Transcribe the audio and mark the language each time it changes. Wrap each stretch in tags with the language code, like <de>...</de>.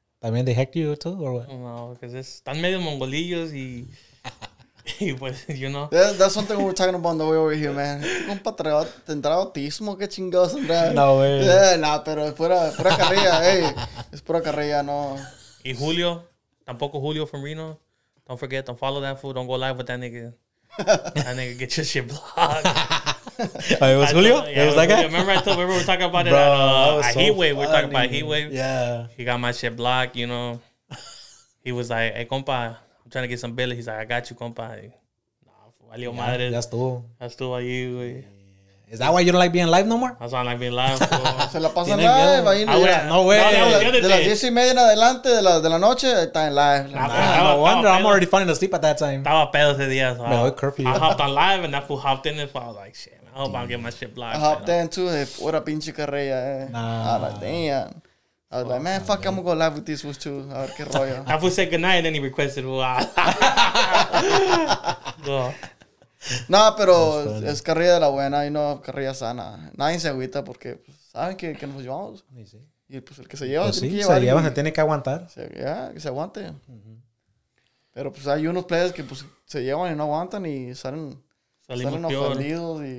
<en>También they hacked you too, or what?</en> <es>No, because están medio mongolillos y. Y pues,</es> <en>you know. That's something we were talking about on the way over here, man.</en> <es>Un patriota tendrá autismo, qué chingados tendrá. No, güey. Yeah, no, pero es pura carrilla, hey. Es pura carrilla, no. Y Julio, tampoco Julio from Reno.</es> <en>Don't forget, don't follow that fool. Don't go live with that nigga. That nigga get your shit blocked. Oh, it was Julio? Yeah, it was that guy? Remember we were talking about it at Heatwave. We were talking about Heatwave. Yeah. He got my shit blocked, you know. He was like, hey, compa, I'm trying to get some billy. He's like, I got you, compa.</en> <es>Nah, valió madre.</es> <en>That's tú.</en> <es>That's tú, ahí, güey.</es> <en>Is that why you don't like being live no more? That's why I like being live.</en> <es>Se la pasan live.</es> <en>No way. No,</en> <es>de las 10:30 en adelante de la noche, está en live.</es> <en>No wonder. I'm already falling asleep at that time.</en> <es>Estaba pedo ese día.</es> <en>No, it's curfew. I hopped on live and that fool hopped in. If I was like, shit, man, I hope I'll get my shit blocked. I hopped in too.</en> <es>Fuera pinche carrilla,</es> <en>Nah. I was like, damn. I was like, man, fuck, I'm going to go live with these fools too.</en> <es>A ver qué rollo.</es> <en>That fool said goodnight and then he requested.</en> <es>No, pero es carrilla de la buena y no carrilla sana. Nadie se agüita porque pues, saben que nos llevamos. Sí. Y pues el que se lleva, pues sí, tiene que se lleva, se tiene que aguantar. Que se aguante. Uh-huh. Pero pues hay unos players que pues se llevan y no aguantan y salen ofendidos.</es>